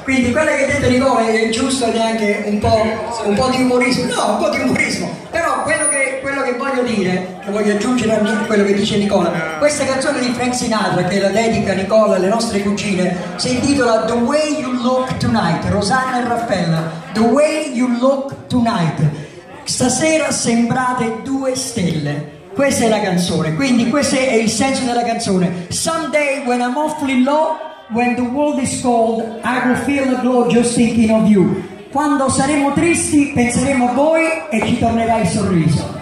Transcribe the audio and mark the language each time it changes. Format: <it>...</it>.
<it>Quindi quello che dite Nicola è giusto, neanche un po' di umorismo, no, un po' di umorismo, però quello che voglio dire, che voglio aggiungere a quello che dice Nicola, questa canzone di Frank Sinatra, che la dedica Nicola alle nostre cugine, si intitola The Way You Look Tonight, Rosanna e Raffaella, The Way You Look Tonight, stasera sembrate due stelle. Questa è la canzone, quindi questo è il senso della canzone.</it> <en>Someday when I'm awfully low, when the world is cold, I will feel the glow just thinking of you.</en> <it>Quando saremo tristi, penseremo a voi e ci tornerà il sorriso.</it>